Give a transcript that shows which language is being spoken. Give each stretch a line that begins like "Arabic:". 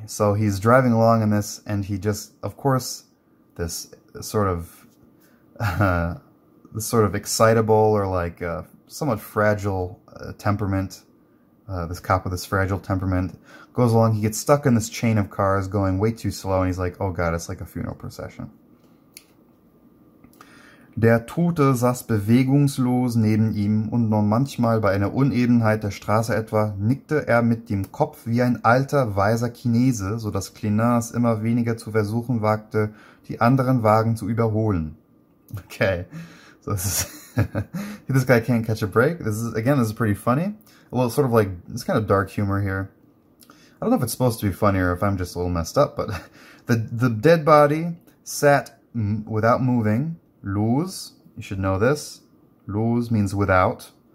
English: So he's driving along in this and he just, of course, this sort of excitable or like somewhat fragile temperament, this cop with this fragile temperament goes along. He gets stuck in this chain of cars going way too slow and he's like, oh God, it's like a funeral procession.
German: Der Tote saß bewegungslos neben ihm und nur manchmal bei einer Unebenheit der Straße etwa nickte er mit dem Kopf wie ein alter, weiser Chinese, so dass Clenard es immer weniger zu versuchen wagte, die anderen Wagen zu überholen.
English: Okay, so this guy can't catch a break. This is pretty funny. A little sort of like, it's kind of dark humor here. I don't know if it's supposed to be funny or if I'm just a little messed up, but the dead body sat without moving. Los, you should know this. Los means without.